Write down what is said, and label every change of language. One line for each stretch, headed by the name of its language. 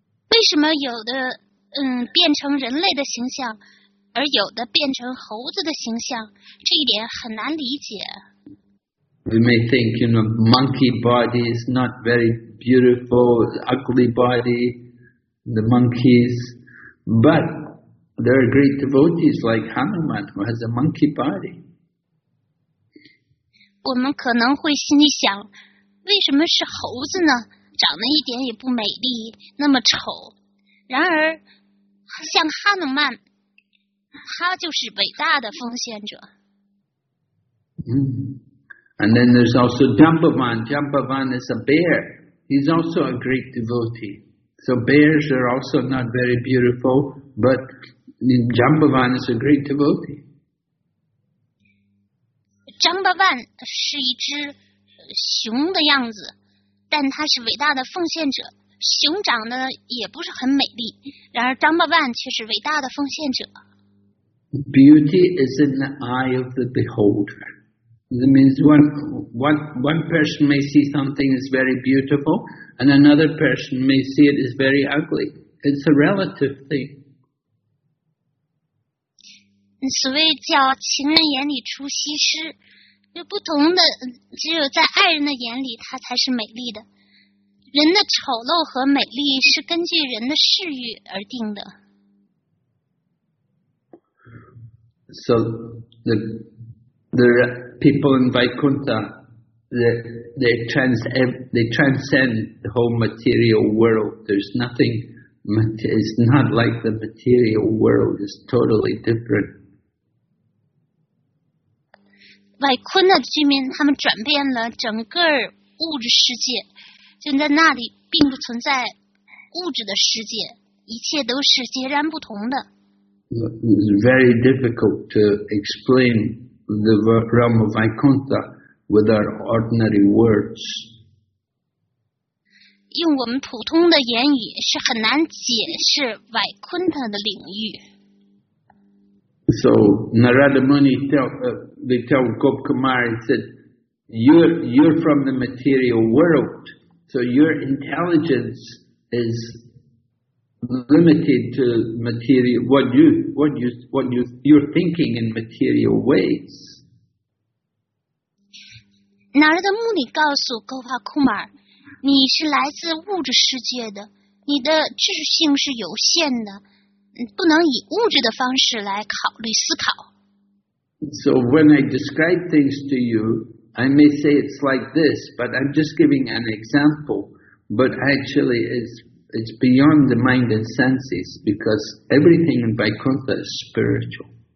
Chinese: 为什么有的变成人类的形象，而有的变成猴子的形象，这一点很难理解。
English: We may think, you know, monkey body is not very beautiful, ugly body, the monkeys, but there are great devotees like Hanuman who has a monkey body.
Chinese: 我们可能会心里想，为什么是猴子呢？长得一点也不美丽，那么丑。然而，像哈努曼，他就是伟大的奉献者。
English: And then there's also Jambavan. Jambavan is a bear. He's also a great devotee. So bears are also not very beautiful, but Jambavan is a great devotee.
Chinese: Jambavan 是一只熊的样子，但他是伟大的奉献者。熊长得也不是很美丽，然而张伯万却是伟大的奉献者。
English: Beauty is in the eye of the beholder. That means one person may see something is very beautiful, and another person may see it is very ugly. It's a relative thing.
Chinese: 所谓叫情人眼里出西施。就不同的，只有在爱人的眼里，她才是美丽的。人的丑陋和美丽是根据人的视欲而定的。
English: So the people in Vaikuntha, they transcend the whole material world. There's nothing. It's not like the material world. It's totally different.
Chinese: 外昆的居民，他们转变了整个物质世界，就在那里并不存在物质的世界，一切都是截然不同的。
English: It's very difficult to explain the realm of Vaikuntha with our ordinary words.
Chinese: 用我们普通的言语是很难解释外昆特的领域。
English: So Narada Muni tell Gop Kumar, he said, you're from the material world, so your intelligence is limited to material, you're thinking in material ways.
Chinese: Narada Muni 告诉 Gop Kumar, 你是来自物质世界的，你的智性是有限的。不能以物质的方式来考虑思考。
English: So when I describe things to you, I may say it's like this, but I'm just giving an example. But actually, it's beyond the mind and senses because everything in Vaikuntha is spiritual.